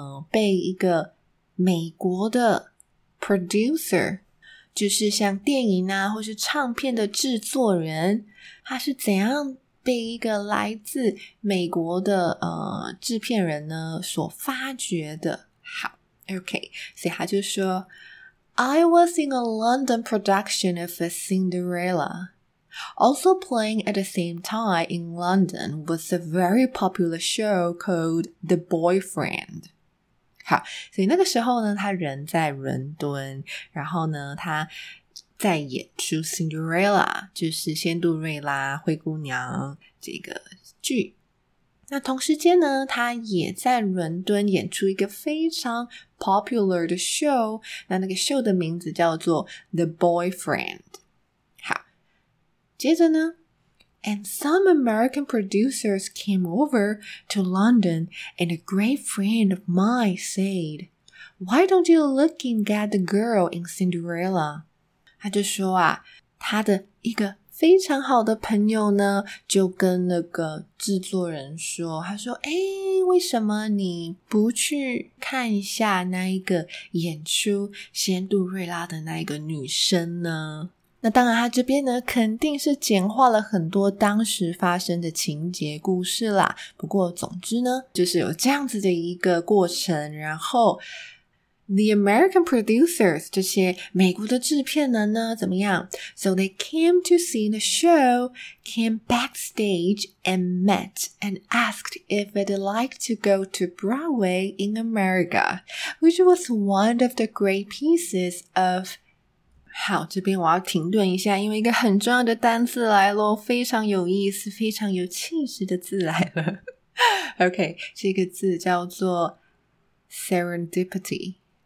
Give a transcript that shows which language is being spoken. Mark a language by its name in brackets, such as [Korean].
[Chinese] 被一个美国的 producer， 就是像电影啊或是唱片的制作人，他是怎样被一个来自美国的制片人呢所发掘的。 [English] 好，Okay, [Chinese] 所以他就说 [English] I was in a London production of a Cinderella. Also playing at the same time in London was a very popular show called The Boyfriend. [Chinese] 好，所以那个时候呢，他人在伦敦，然后呢，他在演出 Cinderella， 就是仙杜瑞拉、灰姑娘这个剧。那同时间呢，他也在伦敦演出一个非常 popular 的 show， 那那个 show 的名字叫做 The Boyfriend。好，接着呢， [English] And some American producers came over to London and a great friend of mine said, Why don't you look and get the girl in Cinderella? [Chinese] 他就说啊，他的一个非常好的朋友呢，就跟那个制作人说，他说，诶，为什么你不去看一下那一个演出仙杜瑞拉的那一个女生呢？那当然他这边呢，肯定是简化了很多当时发生的情节故事啦。不过总之呢，就是有这样子的一个过程，然后 [English] The American producers, [Chinese] 这些美国的制片人呢，怎么样？ [English] So they came to see the show, came backstage and met and asked if they'd like to go to Broadway in America, which was one of the great pieces of... [Chinese] 好，这边我要停顿一下，因为一个很重要的单字来咯，非常有意思，非常有气势的字来了。 Okay, 这个字叫做 serendipity。